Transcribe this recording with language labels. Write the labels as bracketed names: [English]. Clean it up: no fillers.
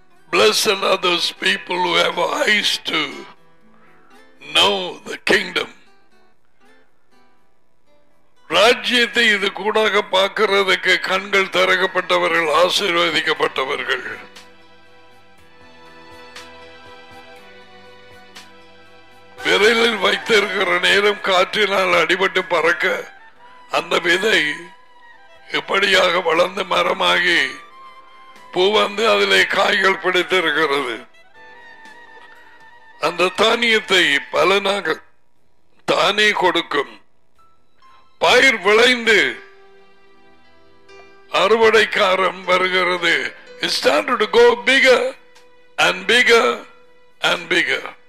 [English] blessed are those people who have eyes to know the kingdom. [Tamil] ராஜ்யத்தை இது கூடாக பார்க்கறதுக்கு கண்கள் திறக்கப்பட்டவர்கள், ஆசீர்வதிக்கப்பட்டவர்கள். விரலில் வைத்திருக்கிற நேரம் காற்றினால் அடிபட்டு பறக்க அந்த விதை இப்படியாக வளர்ந்து மரமாகி பூ வந்து அதிலே காய்கள் பிடித்திருக்கிறது. அந்த தானியத்தை பலனாக தானே கொடுக்கும். பயிர் விளைந்து அறுவடைக்காரம் வருகிறது. [English] It's time to go bigger and bigger and bigger.